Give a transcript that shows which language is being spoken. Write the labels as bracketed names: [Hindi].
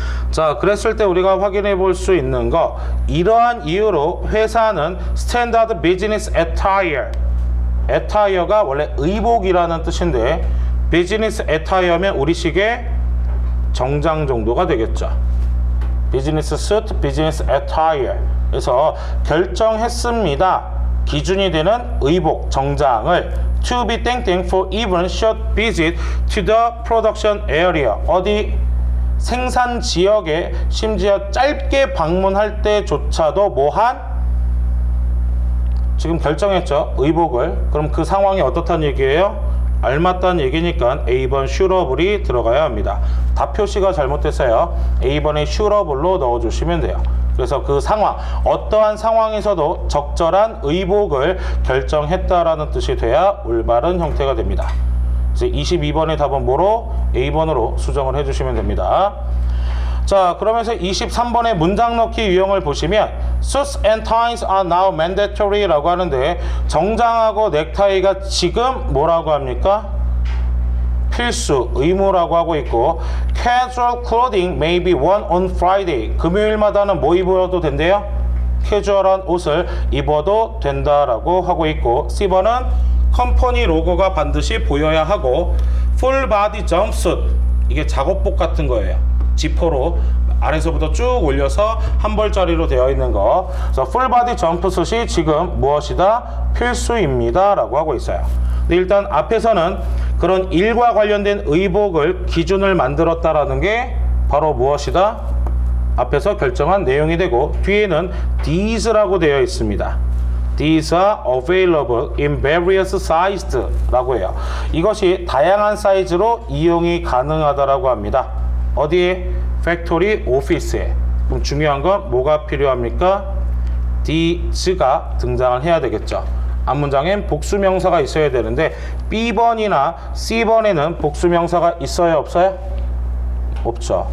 [Korean] 자, 그랬을 때 우리가 확인해 볼 수 있는 거, 이러한 이유로 회사는 [English] standard business attire, [Korean] attire가 원래 의복이라는 뜻인데 business attire면 우리식의 정장 정도가 되겠죠. 비즈니스 수트, 비즈니스 애타이어에서 결정했습니다. 기준이 되는 의복 정장을 [English] to be thankful for even short visit to the production area. [Korean] 어디 생산 지역에 심지어 짧게 방문할 때조차도 뭐한 지금 결정했죠. 의복을. 그럼 그 상황이 어떻다는 얘기예요? 알맞다는 얘기니까 A번 suitable이 들어가야 합니다. 답 표시가 잘못됐어요. A번에 suitable로 넣어주시면 돼요. 그래서 그 상황, 어떠한 상황에서도 적절한 의복을 결정했다라는 뜻이 돼야 올바른 형태가 됩니다. 이제 22번의 답은 뭐로? A번으로 수정을 해주시면 됩니다. 자, 그러면서 23번의 문장 넣기 유형을 보시면 [English] Suits and ties are now mandatory [Korean] 라고 하는데 정장하고 넥타이가 지금 뭐라고 합니까? 필수, 의무라고 하고 있고 [English] Casual clothing may be worn on Friday. [Korean] 금요일마다는 뭐 입어도 된대요? 캐주얼한 옷을 입어도 된다라고 하고 있고 C번은 컴퍼니 로고가 반드시 보여야 하고 [English] Full body jumpsuit [Korean] 이게 작업복 같은 거예요. 지퍼로 아래서부터 쭉 올려서 한 벌짜리로 되어 있는 거. 그래서 풀바디 점프숏이 지금 무엇이다? 필수입니다 라고 하고 있어요. 근데 일단 앞에서는 그런 일과 관련된 의복을 기준을 만들었다라는 게 바로 무엇이다? 앞에서 결정한 내용이 되고 뒤에는 these라고 되어 있습니다. [English] These are available in various sizes [Korean] 라고 해요. 이것이 다양한 사이즈로 이용이 가능하다라고 합니다. 어디에? 팩토리 오피스에. 그럼 중요한 건 뭐가 필요합니까? These가 등장을 해야 되겠죠. 앞 문장엔 복수명사가 있어야 되는데 B번이나 C번에는 복수명사가 있어요? 없어요? 없죠.